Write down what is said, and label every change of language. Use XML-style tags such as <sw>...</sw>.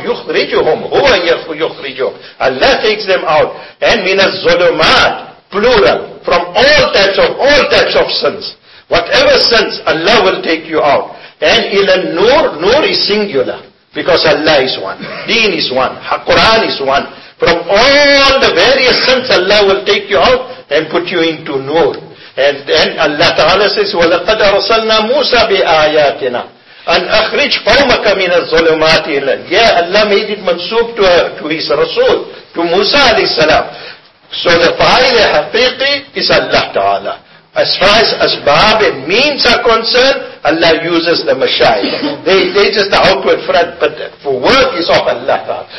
<ar>Yukhrijuhum, huwa yukhriju,</ar> <en>Allah takes them out, and min adh-dhulumat plural, from all types of sins, whatever sins, Allah will take you out. And ila nur, nur is singular because Allah is one, deen is one, Quran is one. From all the various sins, Allah will take you out and put you into Noor. And then Allah Ta'ala says,</en> <ar>وَلَقَدْ أَرْسَلْنَا مُوسَى بِآيَاتِنَا أَنْ أَخْرِجْ قَوْمَكَ مِنَ الظُّلُمَاتِ إِلَى.</ar> <en>Yeah, Allah made it mansoob to His Rasul, to Musa alayhi salam. So the fa'ile haqiqi is Allah Ta'ala. As far as asbab and means are concerned, Allah uses the mashayikh. They just the outward front, but for work is of Allah.</en>